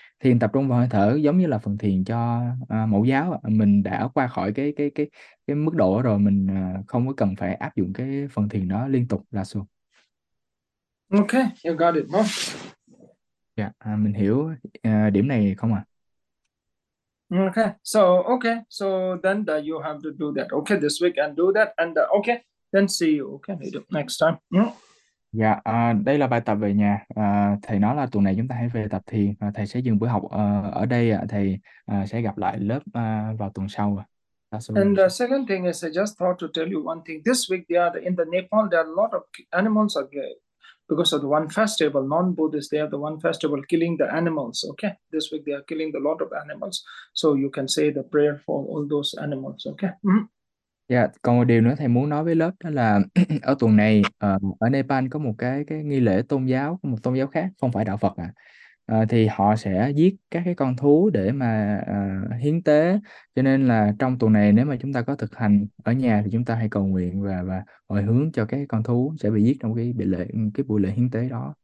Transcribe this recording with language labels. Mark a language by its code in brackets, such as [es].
[vi] Thiền tập trung vào hơi thở giống như là phần thiền cho mẫu giáo, mình đã qua khỏi cái mức độ rồi, mình không có cần phải áp dụng cái phần thiền đó liên tục. Là xuống. [en] Okay, you got it, boss. [vi] Dạ, mình hiểu điểm này không ạ? À? [en] Okay, so then that you have to do that. Okay, this week and do that and okay, then see you. Okay, later, next time. [vi] Dạ, đây là bài tập về nhà. Thầy nói là tuần này chúng ta hãy về tập thiền. Thầy sẽ dừng buổi học ở đây. Thầy sẽ gặp lại lớp vào tuần sau. [en] And the second thing is, I just thought to tell you one thing. This week, in the Nepal, there are a lot of animals are gay. Because of the one festival, non-Buddhist, they have the one festival killing the animals. Okay, this week they are killing a lot of animals. So you can say the prayer for all those animals. Okay. [vi] Dạ, còn một điều nữa thầy muốn nói với lớp đó là ở tuần này ở Nepal có một cái nghi lễ tôn giáo, một tôn giáo khác không phải đạo Phật ạ. Thì họ sẽ giết các cái con thú để mà hiến tế, cho nên là trong tuần này nếu mà chúng ta có thực hành ở nhà thì chúng ta hãy cầu nguyện và hồi hướng cho các con thú sẽ bị giết trong cái buổi lễ hiến tế đó.